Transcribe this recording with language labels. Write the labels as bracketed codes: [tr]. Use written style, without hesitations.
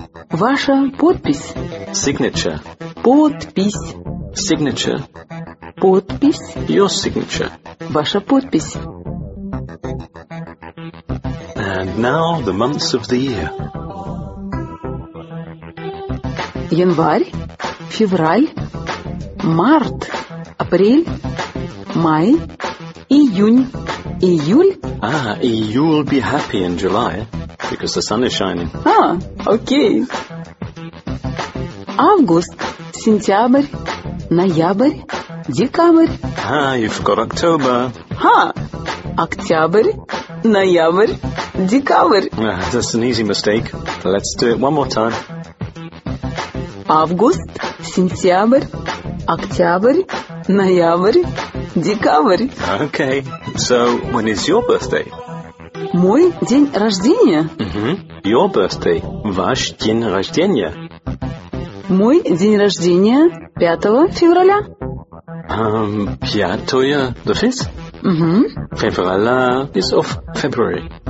[ru] Ваша подпись. [en] Signature. [ru] Подпись. [en] Signature. [ru] Подпись. [en] Your signature. [ru] Ваша подпись. [en] And now the months of the year. [ru] Январь, февраль, март, апрель, май, июнь, июль. [en] Ah, you'll be happy in July, because the sun is shining. Ah, okay. [ru] Август, сентябрь, ноябрь, декабрь. [en] Ah, you forgot October. [ru] Ha, октябрь, ноябрь, декабрь. [en] Ah, that's an easy mistake. Let's do it one more time. [ru] Август, сентябрь, октябрь, ноябрь, декабрь. [en] Okay, so when is your birthday? [ru] Мой день рождения. [en] Your birthday. [ru] Ваш день рождения. Мой день рождения 5 февраля. [en] 5-е, the 5th? Февраля is of February.